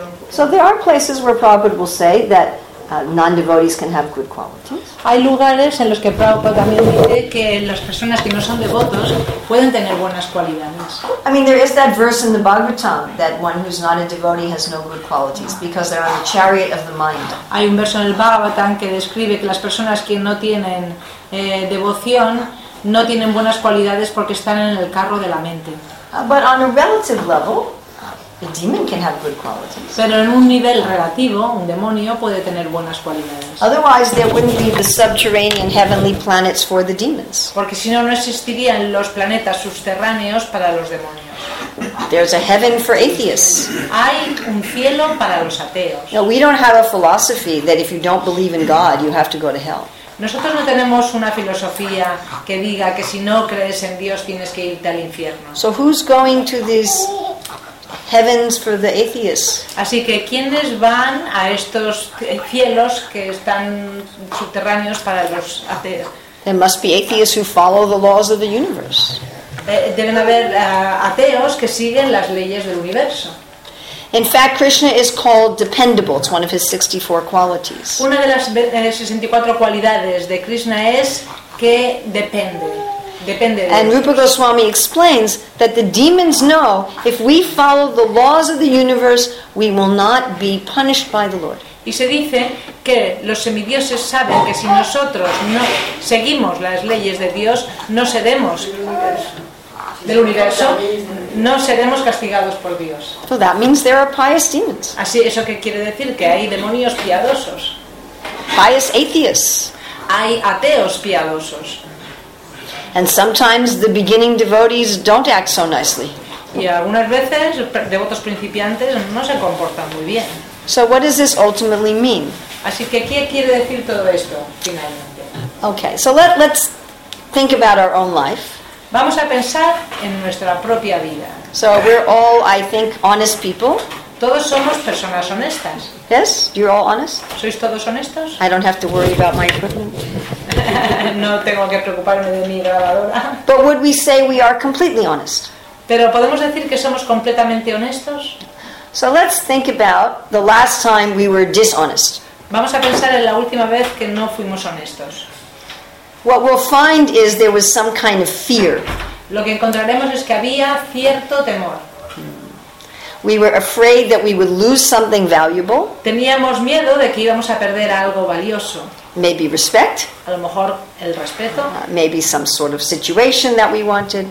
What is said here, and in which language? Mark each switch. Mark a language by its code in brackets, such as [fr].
[en] So there are places where Prabhupada will say that non-devotees can have good qualities. [es] Hay lugares en los que Prabhupada también dice que las personas que no son devotos pueden tener buenas cualidades. [en] I mean, there is that verse in the Bhagavatam that one who's not a devotee has no good qualities because they're on the chariot of the mind. [es] Hay un verso en el Bhagavatam que describe que las personas que no tienen devoción no tienen buenas cualidades porque están en el carro de la mente. [en] But on a relative level, a demon can have good qualities. [es] Pero en un nivel relativo, un demonio puede tener buenas cualidades. [en] Otherwise, there wouldn't be the subterranean heavenly planets for the demons. [es] Porque si no, no existirían los planetas subterráneos para los demonios. [en] There's a heaven for atheists. [es] Hay un cielo para los ateos. [en] No, we don't have a philosophy that if you don't believe in God, you have to go to hell. [es] Nosotros no tenemos una filosofía que diga que si no crees en Dios tienes que irte al infierno. [en] So who's going to these heavens for the atheists? [es] Así que ¿quiénes van a estos cielos que están subterráneos para los ateos? [en] There must be atheists who follow the laws of the universe. [es] Deben haber ateos que siguen las leyes del universo. [en] In fact, Krishna is called dependable. It's one of his 64 qualities. [es] Una de las 64 cualidades de Krishna es que depende Depende de [en] And Rupa Goswami explains that the demons know if we follow the laws of the universe, we will not be punished by the Lord. [es] Y se dice que los semidioses saben que si nosotros no seguimos las leyes de Dios, no seremos del universo, no seremos castigados por Dios. [en] So that means there are pious demons. [es] Así, eso que quiere decir que hay demonios piadosos. [en] Pious atheists. [es] Hay ateos piadosos. [en] And sometimes the beginning devotees don't act so nicely. [es] Y algunas veces devotos principiantes no se comportan muy bien. [en] So what does this ultimately mean? [es] Así que, ¿qué quiere decir todo esto, finalmente? [en] Okay, so let's think about our own life. [es] Vamos a pensar en nuestra propia vida. [en] So we're all, I think, honest people. [es] Todos somos personas honestas. [en] Yes, you're all honest. [es] ¿Sois todos honestos? [en] I don't have to worry about my equipment. [es] No tengo que preocuparme de mi grabadora. [en] But would we say we are completely honest? [es] ¿Pero podemos decir que somos completamente honestos? [en] So let's think about the last time we were dishonest. [es] Vamos a pensar en la última vez que no fuimos honestos. [en] What we'll find is there was some kind of fear. [es] Lo que encontraremos es que había cierto temor. [en] We were afraid that we would lose something valuable. [es] Teníamos miedo de que íbamos a perder algo valioso. [en] Maybe respect. [es] A lo mejor el respeto. [en] Maybe some sort of situation that we wanted.